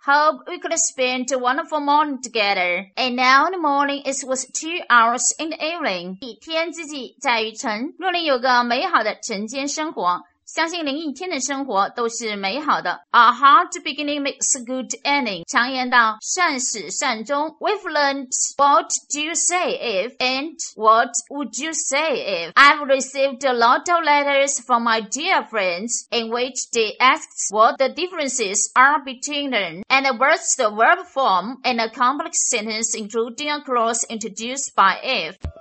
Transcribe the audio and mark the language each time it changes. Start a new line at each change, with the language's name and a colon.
English: Hope we could spend a wonderful morning together. And now the morning is worth 2 hours in the evening.
Chinese: 一天之计在于晨。若您有个美好的晨间生活，相信您一天的生活都是美好的。
English: A hard beginning makes a good ending.
Chinese: 常言道，善始善终。
English: We've learned what do you say if and what would you say if. I've received a lot of letters from my dear friends in which they ask what the differences are between them and what's the verb form in a complex sentence including a clause introduced by if.